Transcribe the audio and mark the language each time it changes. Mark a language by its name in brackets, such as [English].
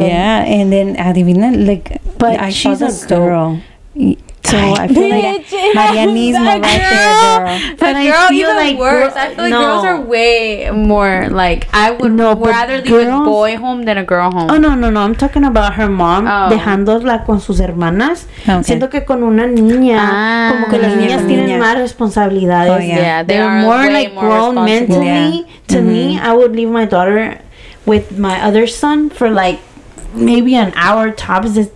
[English] Yeah, and then, [Spanish] adivina, [English] like... But she's a girl. So I feel like Marianismo right there, girl. But girl, I feel even like worse. I feel like girls are way more like, I would rather leave a boy home than a girl home. Oh, no. I'm talking about her mom [Spanish] dejándola con sus hermanas. [English] Okay. [Spanish] Siento que con una niña, como que las niñas tienen más responsabilidades. [English] Oh, yeah. They're more like more grown mentally. Yeah. To me, I would leave my daughter with my other son for like maybe an hour tops.